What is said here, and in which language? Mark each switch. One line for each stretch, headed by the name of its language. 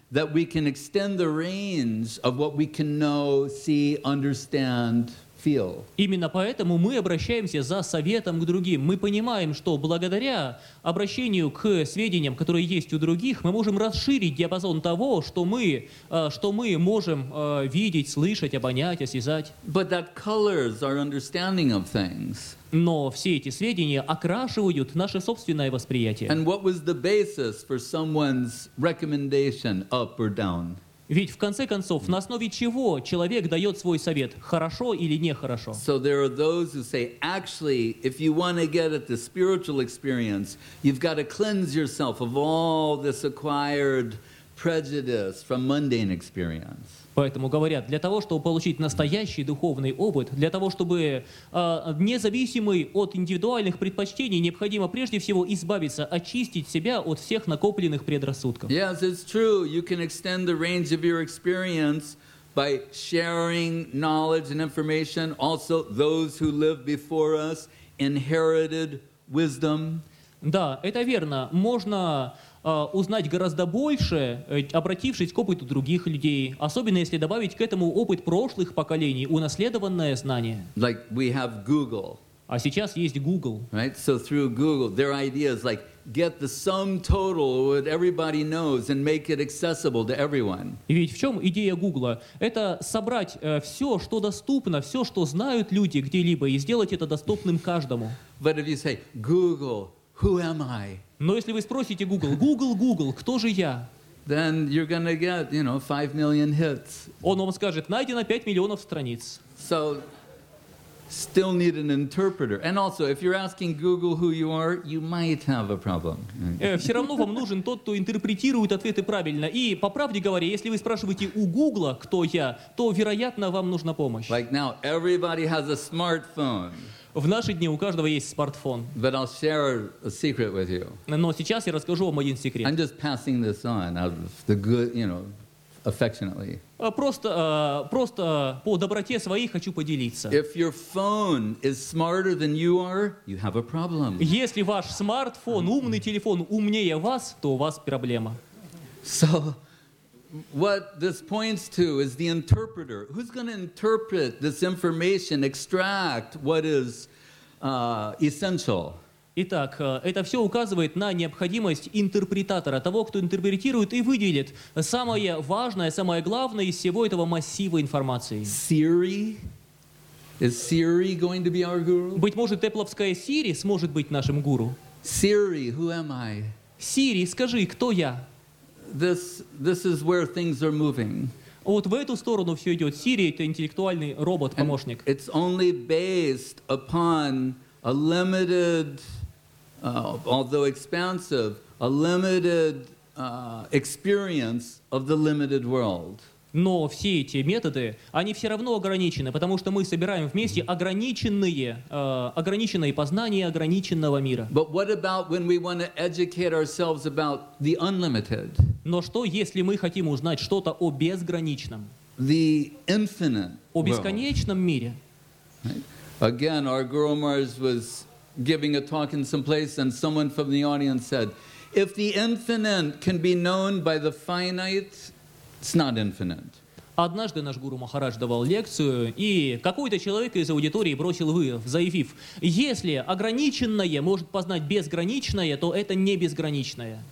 English: That we can extend the range of what we can know, see, understand, feel.
Russian: Именно поэтому мы обращаемся за советом к другим. Мы понимаем, что благодаря обращению к сведениям, которые есть у других, мы можем расширить диапазон того, что мы можем видеть, слышать, обонять, осязать.
English: But that colors our understanding of things.
Russian: Но все эти сведения окрашивают наше собственное восприятие.
English: And what was the basis for someone's recommendation up or down?
Russian: Ведь в конце концов, на основе чего человек дает свой совет, хорошо или нехорошо?
English: So there are those who say, actually, if you want to get at the spiritual experience, you've got to cleanse yourself of all this acquired prejudice from mundane experience.
Russian: Поэтому говорят, для того, чтобы получить настоящий духовный опыт, для того, чтобы независимый от индивидуальных предпочтений, необходимо прежде всего избавиться, очистить себя от всех накопленных предрассудков.
English: Yes, it's true. You can extend the range of your experience by sharing knowledge and information. Also, those who lived before us inherited wisdom.
Russian: Да, это верно. Можно узнать гораздо больше, обратившись к опыту других людей, особенно если добавить к этому опыт прошлых поколений, унаследованное знание.
English: Like we have Google.
Russian: А сейчас есть Google.
English: Right? So through Google, their idea is like get the sum total of what everybody knows and make it accessible to everyone.
Russian: И ведь в чем идея Гугла? Это собрать все, что доступно, все, что знают люди где-либо, и сделать это доступным каждому.
English: But if you say Google, who am I?
Russian: Но если вы спросите Google, кто же я?
English: Then you're gonna get, you know, 5 million hits.
Russian: Он вам скажет, найдено 5 миллионов страниц.
English: So, still need an interpreter. And also, if you're asking Google who you are, you might have a problem.
Russian: Все равно вам нужен тот, кто интерпретирует ответы правильно. И по правде говоря, если вы спрашиваете у Google, кто я, то вероятно вам нужна помощь.
English: Like now, everybody has a smartphone.
Russian: В наши дни у каждого есть смартфон.
English: But I'll share a secret with you.
Russian: Но сейчас я расскажу вам один секрет.
English: I'm just passing this on out of the good, you know, affectionately.
Russian: Просто по доброте своей хочу поделиться.
English: If your phone is smarter than you are, you have a problem.
Russian: Если ваш смартфон, умный телефон умнее вас, то у вас проблема.
English: So what this points to is the interpreter. Who's going to interpret this information, extract what is essential?
Russian: Итак, это все указывает на необходимость интерпретатора, того, кто интерпретирует и выделит самое важное, самое главное из всего этого массива информации.
English: Siri? Is Siri going to be our guru?
Russian: Быть может, тепловская Siri сможет быть нашим гуру?
English: Siri, who am I?
Russian: Siri, скажи, кто я?
English: This is where things are moving.
Russian: Вот в эту сторону все идет. Siri — это интеллектуальный робот, помощник.
English: It's only based upon a limited, although expansive, a limited experience of the limited world.
Russian: Но все эти методы, они все равно ограничены, потому что мы собираем вместе ограниченные познания ограниченного мира.
English: But what about when we want to educate ourselves about the unlimited?
Russian: Но что, если мы хотим узнать что-то о безграничном?
English: The infinite.
Russian: О бесконечном мире.
English: Right? Again, our Guru Maharaj was giving a talk in some place, and someone from the audience said, if the infinite can be known by the finite, it's not infinite.
Russian: Однажды наш гуру Махарадж давал лекцию, и какой-то человек из аудитории бросил вызов, заявив: если ограниченное может познать безграничное, то это не безграничное.